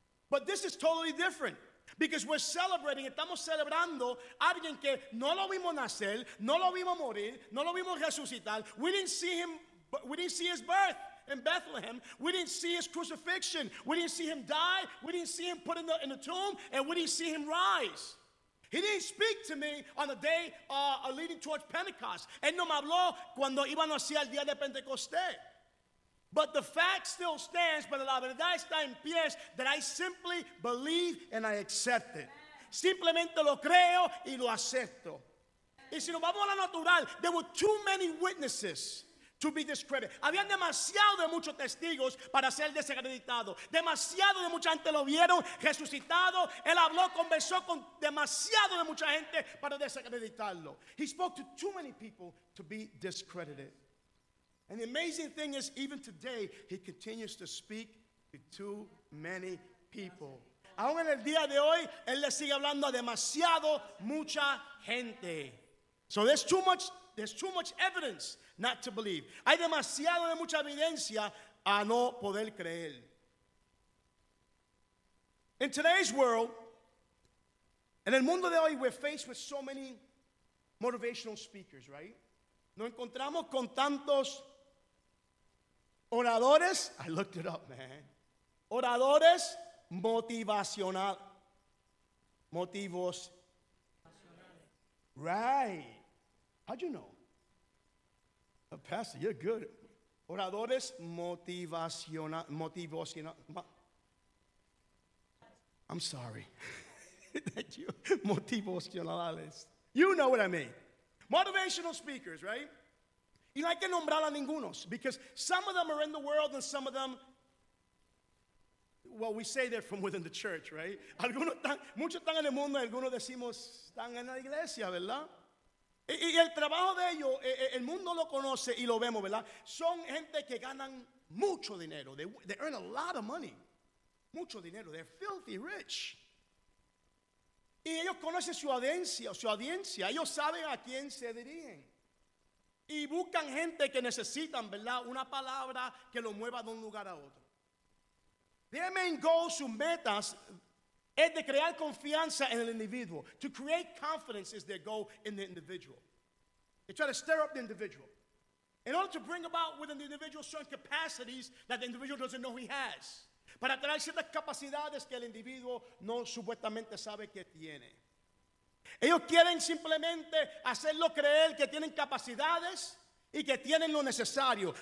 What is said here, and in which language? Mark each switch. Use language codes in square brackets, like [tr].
[en] But this is totally different because we're celebrating, [es] estamos celebrando alguien que no lo vimos nacer, no lo vimos morir, no lo vimos resucitar. [en] We didn't see him, we didn't see his birth in Bethlehem. We didn't see his crucifixion. We didn't see him die. We didn't see him put in the tomb, and we didn't see him rise. He didn't speak to me on the day leading towards Pentecost. [es] Él no me habló cuando iba a nacer el día de Pentecostés. [en] But the fact still stands, [es] pero la verdad está en pie, [en] that I simply believe and I accept it. [es] Simplemente lo creo y lo acepto. Y si nos vamos a la natural, [en] there were too many witnesses to be discredited. [es] Habían demasiado de muchos testigos para ser desacreditados. Demasiado de mucha gente lo vieron resucitado. Él habló, conversó con demasiado de mucha gente para desacreditarlo. [en] He spoke to too many people to be discredited. And the amazing thing is, even today, he continues to speak to too many people. [es] Aún en el día de hoy, él le sigue hablando a demasiado mucha gente. [en] So there's too much there's too much evidence not to believe. [es] Hay demasiado de mucha evidencia a no poder creer. [en] In today's world, [es] en el mundo de hoy, [en] we're faced with so many motivational speakers, right? [es] Nos encontramos con tantos oradores. [en] I looked it up, man. [es] Oradores motivacional. Motivos. [en] Right. How'd you know? Oh, Pastor, you're good. [es] Oradores motivacional. Motivos. [en] I'm sorry. Thank you. Motivacionales. You know what I mean. Motivational speakers, right? [es] Y no hay que nombrar a ningunos, [en] because some of them are in the world and some of them, well, we say they're from within the church, right? [es] Algunos están, muchos están en el mundo y algunos decimos están en la iglesia, ¿verdad? Y el trabajo de ellos, el mundo lo conoce y lo vemos, ¿verdad? Son gente que ganan mucho dinero. [en] They earn a lot of money. [es] Mucho dinero. [en] They're filthy rich. [es] Y ellos conocen su audiencia. Ellos saben a quién se dirigen. Y buscan gente que necesitan, ¿verdad? Una palabra que lo mueva de un lugar a otro. [en] Their main goal, [es] sus metas, es de crear confianza en el individuo. [en] To create confidence is their goal in the individual. They try to stir up the individual. In order to bring about within the individual certain capacities that the individual doesn't know he has. [es] Para traer ciertas capacidades que el individuo no supuestamente sabe que tiene. Ellos quieren simplemente hacerlo creer que tienen capacidades y que tienen lo necesario.